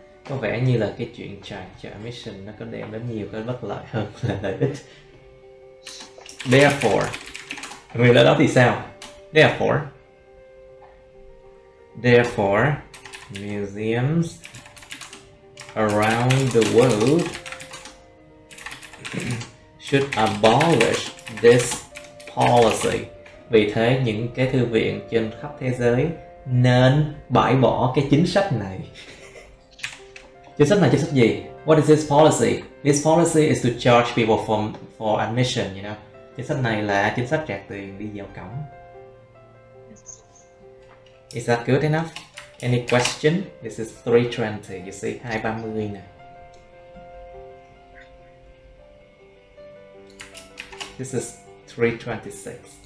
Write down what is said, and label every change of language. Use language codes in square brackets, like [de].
[vi] Có vẻ như là cái chuyện [en] charge admission [vi] nó có đem đến nhiều cái bất lợi hơn là lợi ích. Therefore, người lợi đó thì sao? [en] Therefore, museums around the world should abolish this policy. [vi] Vì thế những cái thư viện trên khắp thế giới nên bãi bỏ cái chính sách này. Chính sách này chính sách gì? [en] What is this policy? This policy is to charge people for admission, you know. [vi] Chính sách này là chính sách trả tiền đi vào cổng. [en] Is that good enough? Any question? This is 3:20, you see, 2:30 này. This is 3:26.